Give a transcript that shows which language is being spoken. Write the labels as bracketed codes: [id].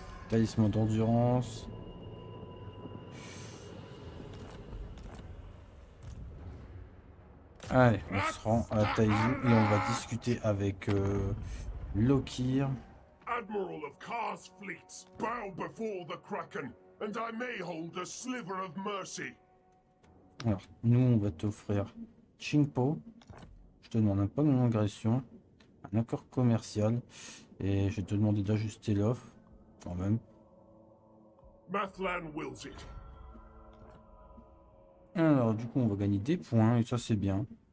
[fr] Talisman d'endurance. Allez, on se rend à Taizu et on va discuter avec Lokir. [en] Admiral of Kar's fleets, bow before the Kraken, and I may hold a sliver of mercy. [fr] Alors, nous, on va t'offrir Qingpo. Je te demande un pas de non-agression, un accord commercial, et je vais te demander d'ajuster l'offre, quand même. [en] Mathlan wills it. [fr] Alors, du coup, on va gagner des points, et ça, c'est bien.